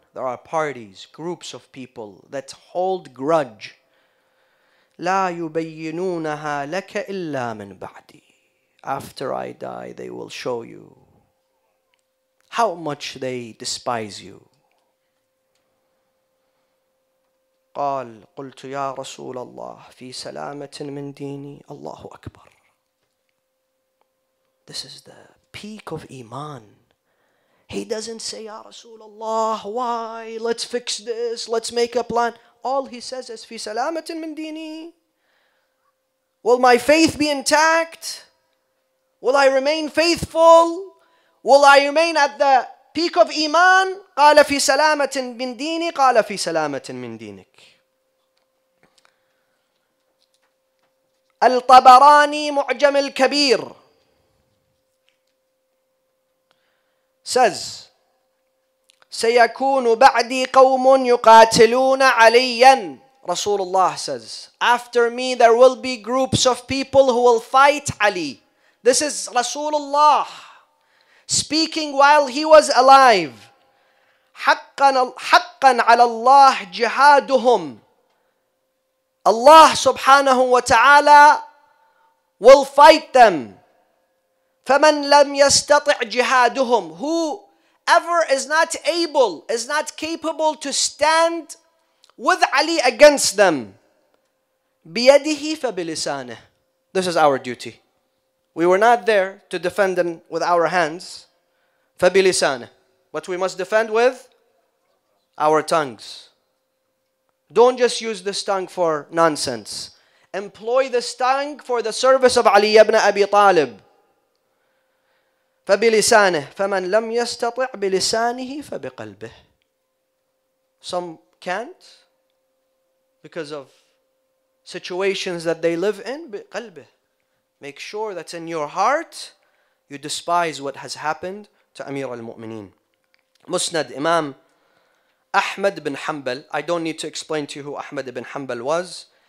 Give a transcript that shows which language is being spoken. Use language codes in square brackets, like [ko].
[en] There are parties, groups of people that hold grudge. [ar] لَا يُبَيِّنُونَهَا لَكَ إِلَّا مِنْ بَعْدِي. [en] After I die, they will show you how much they despise you. [ar] قال قلت يا رسول الله في سلامة من ديني الله أكبر. [en] This is the peak of Iman. He doesn't say, Ya Rasulullah, why? Let's fix this. Let's make a plan. All he says is, [ar] Fi salamatin min dini. [en] Will my faith be intact? Will I remain faithful? Will I remain at the peak of Iman? [ar] قال في سلامة من ديني قال في سلامة من دينك. الطبراني معجم الكبير [en] says, [ar] سيكون بعدي قوم يقاتلون عليا. [en] Rasulullah says, after me there will be groups of people who will fight Ali. This is Rasulullah speaking while he was alive. [ar] حقا على الله جهادهم. [en] Allah subhanahu wa ta'ala will fight them. [ar] فَمَنْ لَمْ يَسْتَطِعْ جِهَادُهُمْ. [en] Whoever is not able, is not capable to stand with Ali against them. [ar] بِيَدِهِ فَبِلِسَانِهِ. [en] This is our duty. We were not there to defend them with our hands. [ar] فَبِلِسَانِهِ. [en] But we must defend with our tongues. Don't just use this tongue for nonsense. Employ this tongue for the service of Ali ibn Abi Talib. [ar] فبلسانه فمن لم يستطع بلسانه فبقلبه. [en] Some can't because of situations that they live in. [ar] بقلبه. [en] Make sure that in your heart you despise what has happened to Amir al-Mu'mineen. Musnad Imam Ahmad bin Hanbal. I don't need to explain to you who Ahmad bin Hanbal was.